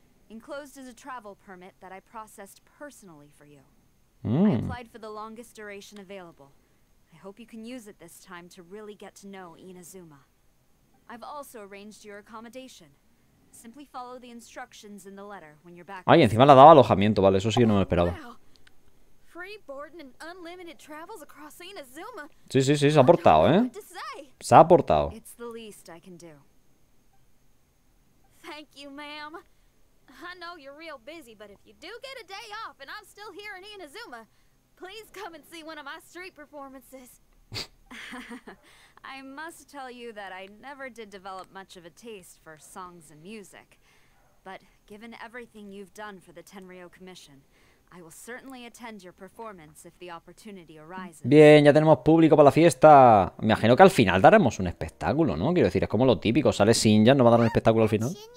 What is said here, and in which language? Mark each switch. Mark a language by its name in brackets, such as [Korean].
[English] Enclosed is a travel permit that I processed personally for you. I applied for the longest duration available. I hope you can use it this time to really get to know Inazuma. I've also arranged your accommodation. Simply follow the instructions in the letter when you're back. [Spanish] Ay, encima le daba alojamiento, vale, eso sí que no me esperaba. [English] Free board and unlimited travels across Inazuma. [Spanish] Sí, se ha portado, ¿eh? Se ha portado. [English] It's the least I can do. Thank you, ma'am. I know you're real busy, but if you do get a day off and I'm still here in Inazuma, please come and see one of my street performances. I must tell you that I never did develop much of a taste for songs and music. But given everything you've done for the Tenryo Commission, I will certainly attend your performance if the opportunity arises. [Spanish] Bien, ya tenemos público para la fiesta. Me imagino que al final daremos un espectáculo, ¿no? Quiero decir, es como lo típico, sale Xinjiang, ¿no va a dar un espectáculo al final?